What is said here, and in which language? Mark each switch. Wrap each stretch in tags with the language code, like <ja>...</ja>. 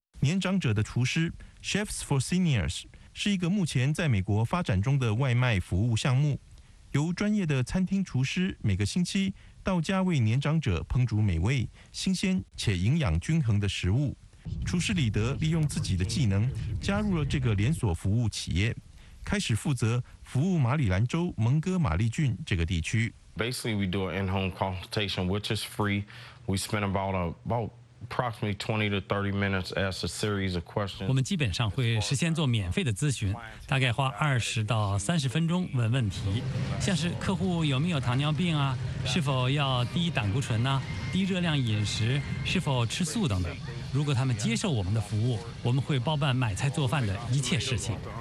<zh>年长者的厨师 Chefs for Seniors 是一个目前在美国发展中的外卖服务项目，由专业的餐厅厨师每个星期到家为年长者烹煮美味、新鲜且营养均衡的食物。厨师李德利用自己的技能加入了这个连锁服务企业，开始负责服务马里兰州蒙哥马利郡这个地区。</zh> <en>Basically, we do an in-home consultation, which is free. We spend about approximately 20 to 30 minutes as a series of questions.</en> <zh>我们基本上会事先做免费的咨询，大概花20到30分钟问问题，像是客户有没有糖尿病啊，是否要低胆固醇呢，低热量饮食，是否吃素等等。如果他们接受我们的服务，我们会包办买菜做饭的一切事情。</zh>